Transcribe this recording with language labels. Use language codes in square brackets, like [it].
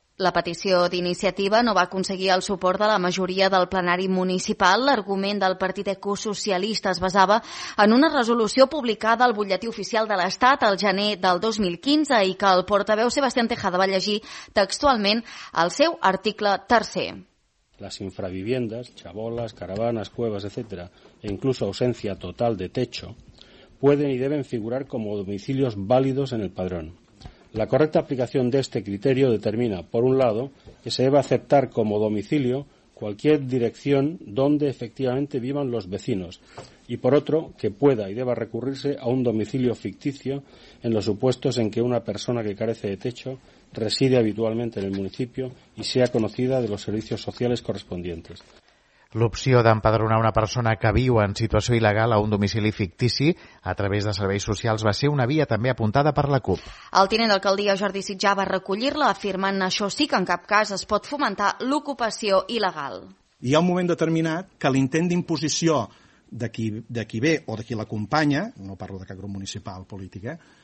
[ca] La petició d'iniciativa no va aconseguir el suport de la majoria del plenari municipal. L'argument del Partit Ecosocialista es basava en una resolució publicada al Butlletí Oficial de l'Estat el gener del 2015 i que el portaveu Sebastián Tejada va llegir textualment al seu article tercer. [es] Las infraviviendas, chabolas, caravanas, cuevas, etcétera, e incluso ausencia total de techo, pueden y deben figurar como domicilios válidos en el padrón. La correcta aplicación de este criterio determina, por un lado, que se debe aceptar como domicilio cualquier dirección donde efectivamente vivan los vecinos y, por otro, que pueda y deba recurrirse a un domicilio ficticio en los supuestos en que una persona que carece de techo reside habitualmente en el municipio y sea conocida de los servicios sociales correspondientes. [ca] L'opció d'empadronar una persona que viu en situació il·legal a un domicili fictici a través de serveis socials va ser una via també apuntada per la CUP. El tinent d'alcaldia Jordi Sitjà va recollir-la, afirmant això sí que en cap cas es pot fomentar l'ocupació il·legal. Hi ha un moment determinat que l'intent d'imposició de qui ve o de qui l'acompanya, no parlo de cap grup municipal, política,